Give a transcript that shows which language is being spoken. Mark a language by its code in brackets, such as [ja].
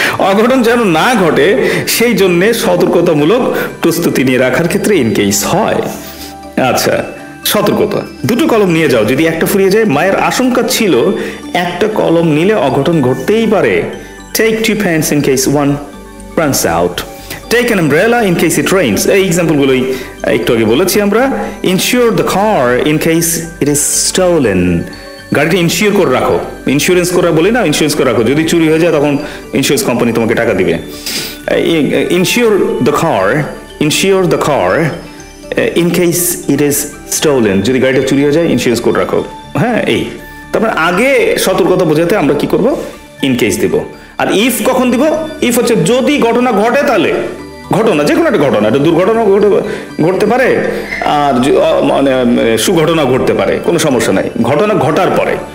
[bn] অঘটন যেন না ঘটে সেই জন্যে সতর্কতামূলক প্রস্তুতি নিয়ে রাখার ক্ষেত্রে ইনকেস হয়। আচ্ছা, সতর্কতা, দুটো কলম নিয়ে যাও, যদি একটা ফুরিয়ে যায়, মায়ের আশঙ্কা ছিল একটা কলম নিলে অঘটন ঘটতেই পারে। [en] Take two pens in case one runs out. Take an umbrella in case it rains. [bn] এই এক্সাম্পলগুলোই একটু আগে বলেছি আমরা। [en] Insure the car in case it is stolen. [bn] গাড়িটা ইনসিওর করে রাখো, ইন্স্যুরেন্স করে বলি না, ইন্স্যুরেন্স করে রাখো, যদি চুরি হয়ে যায় তখন ইন্স্যুরেন্স কোম্পানি তোমাকে টাকা দিবে। [en] Insure the car, insure the car in case it is stolen. [bn] যদি গাড়িটা চুরি হয়ে যায় ইন্স্যুরেন্স করে রাখো, হ্যাঁ, এই। তারপর আগে সতর্কতা বোঝাতে আমরা কি করবো, ইনকেস দিব। আর ইফ কখন দিব, ইফ হচ্ছে যদি ঘটনা ঘটে, তাহলে ঘটনা, যে কোনো একটা ঘটনা, একটা দুর্ঘটনা ঘটতে পারে আর মানে সুঘটনা ঘটতে পারে, কোনো সমস্যা নাই, ঘটনা ঘটার পরে।